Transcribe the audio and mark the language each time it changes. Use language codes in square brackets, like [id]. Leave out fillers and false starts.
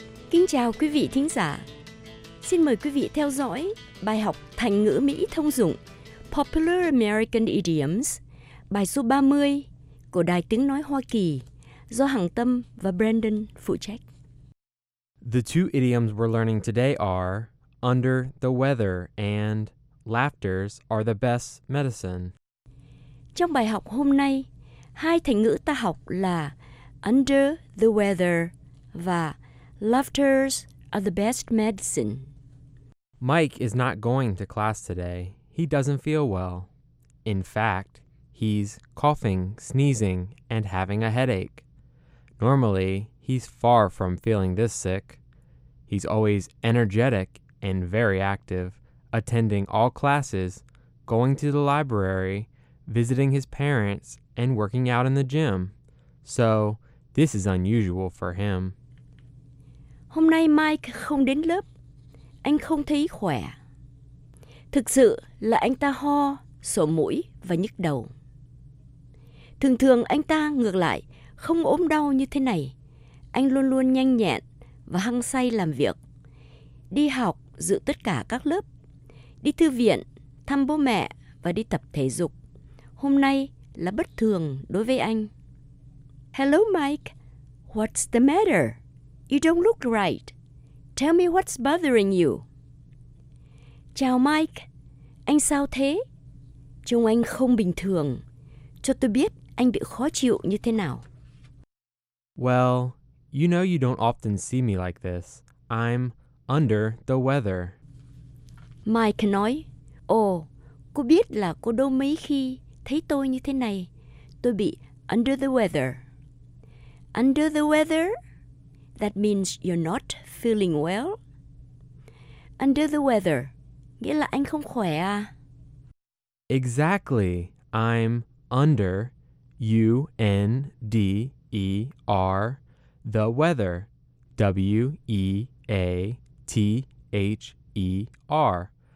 [vi] Kính chào quý vị thính giả. Xin mời quý vị theo dõi bài học thành ngữ Mỹ thông dụng Popular American Idioms, bài số 30 của Đài Tiếng Nói Hoa Kỳ do Hằng Tâm và Brandon phụ trách. [en] The two idioms we're learning today are under the weather and laughters are the best medicine. [vi] Trong bài học hôm nay, hai thành ngữ ta học là under the weather và laughters are the best medicine. [en] Mike is not going to class today. He doesn't feel well. In fact, he's coughing, sneezing, and having a headache. Normally, he's far from feeling this sick. He's always energetic and very active, attending all classes, going to the library, visiting his parents, and working out in the gym. So, this is unusual for him. [vi] Hôm nay Mike không đến lớp. Anh không thấy khỏe. Thực sự là anh ta ho, sổ mũi và nhức đầu. Thường thường anh ta ngược lại không ốm đau như thế này. Anh luôn luôn nhanh nhẹn và hăng say làm việc. Đi học, dự tất cả các lớp. Đi thư viện, thăm bố mẹ và đi tập thể dục. Hôm nay là bất thường đối với anh. [en] Hello Mike, what's the matter? You don't look right. Tell me what's bothering you. [vi] Chào Mike, anh sao thế? Trông anh không bình thường. Cho tôi biết anh bị khó chịu như thế nào. [en] Well, you know you don't often see me like this. I'm under the weather. [vi] Mike nói, cô biết là cô đâu mấy khi thấy tôi như thế này. Tôi bị under the weather. [en] Under the weather? That means you're not feeling well. [vi] Under the weather, nghĩa là anh không khỏe à? [en] Exactly. I'm under, U-N-D-E-R, the weather, W-E-A-T-H-E-R.